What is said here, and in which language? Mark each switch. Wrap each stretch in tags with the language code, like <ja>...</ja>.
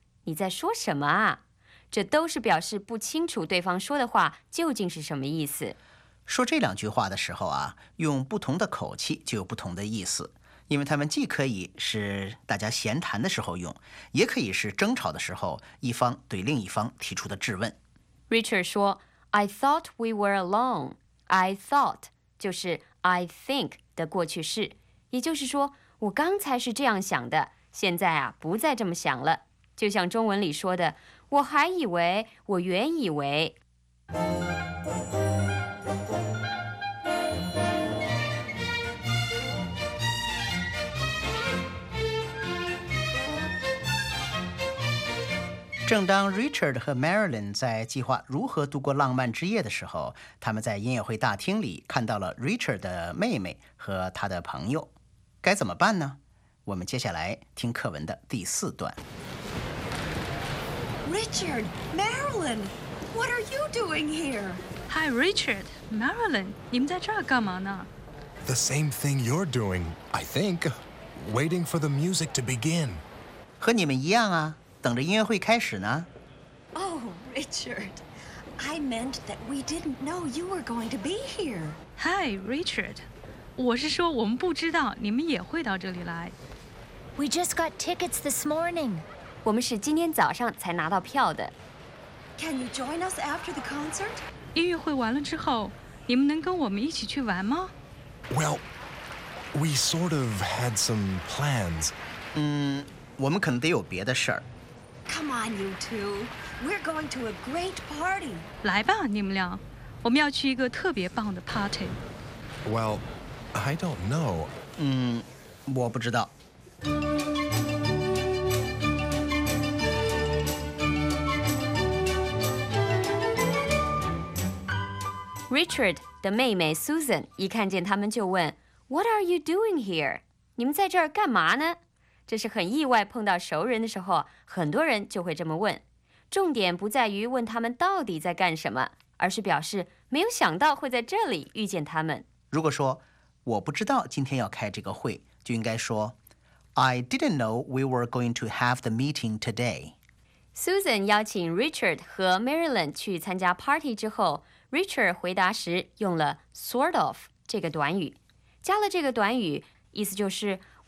<zh>你在说什么啊？这都是表示不清楚对方说的话究竟是什么意思。说这两句话的时候啊，用不同的口气就有不同的意思，因为他们既可以是大家闲谈的时候用，也可以是争吵的时候一方对另一方提出的质问。</zh> <en>Richard 说 I thought we were alone. I thought</en> <zh>就是</zh> <en>I think</en> <zh>的过去式，也就是说我刚才是这样想的，现在啊不再这么想了，就像中文里说的，我还以为，我原以为。正当 Richard 和 Marilyn 在计划如何度过浪漫之夜的时候，他们在音乐会大厅里看到了 Richard 的妹妹和他的朋友，该怎么办呢？我们接下来听课文的第四段。</zh> <en>Richard, Marilyn, what are you doing here?</en> <zh>Hi, Richard, Marilyn, 你们在这儿干嘛呢？</zh> <en>The same thing you're doing, I think. Waiting for the music to begin.</en> <zh>和你们一样啊，等着音乐会开始呢。</zh> <en>Oh, Richard, I meant that we didn't know you were going to be here.</en> <zh>Hi, Richard, 我是说我们不知道你们也会到这里来。</zh> <en>We just got tickets this morning.</en> <zh>我们是今天早上才拿到票的。</zh> <en>Can you join us after the concert?</en> <zh>音乐会完了之后，你们能跟我们一起去玩吗？</zh> <en>Well, we sort of had some plans.</en> <zh>我们可能得有别的事儿。</zh> <en>Come on, you two. We're going to a great party.</en> <zh>来吧，你们俩，我们要去一个特别棒的 party.</zh> <en>Well, I don't know.</en> <zh>我不知道。 Richard 的妹妹 Susan 一看见他们就问</zh> <en>What are you doing here?</en> <zh>你们在这儿干嘛呢？这是很意外碰到熟人的时候，很多人就会这么问。重点不在于问他们到底在干什么，而是表示没有想到会在这里遇见他们。如果说我不知道今天要开这个会，就应该说</zh> <en>I didn't know we were going to have the meeting today.</en> <zh>Susan 邀请 Richard 和 Marilyn 去参加 party 之后， Richard 回答时用了</zh> <en>sort of</en> <zh>这个短语，加了这个短语，意思就是</zh>